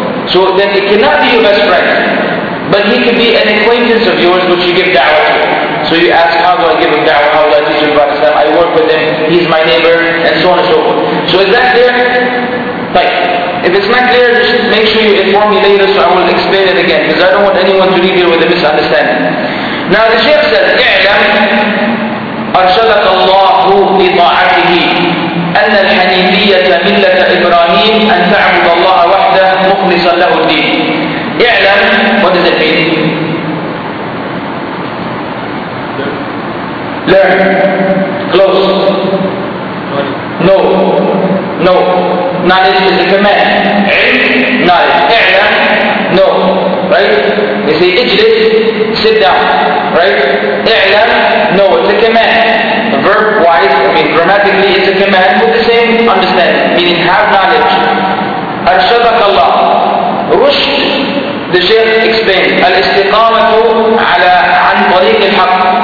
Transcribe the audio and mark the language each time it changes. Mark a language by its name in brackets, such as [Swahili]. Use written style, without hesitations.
[English] So then it cannot be your best friend. But he could be an acquaintance of yours which you give da'wah to. So you ask, how do I give him da'wah? How do I teach him about Islam? I work with him, he's my neighbor, and so on and so forth. So is that clear? Like, if it's not clear, just make sure you inform me later so I will explain it again. Because I don't want anyone to leave here with a misunderstanding. Now the Shaykh says, [Arabic] اعلم أرشدك الله لطاعته أن الحنيفية ملة إبراهيم أن تعبد الله وحده مخلصا له الدين. [English] اعلم, what does it mean? Learn. Close. No. No. Knowledge is a command. Knowledge. اعلم. No. Right? They say, اجلس. Sit down. Right? اعلم. No. It's a command. Verb-wise, I mean, grammatically, it's a command with the same understanding. Meaning, have knowledge. [Arabic] أرشدك الله. رشد. [English] The Shaykh explained, [Arabic] الاستقامة على عن طريق الحق.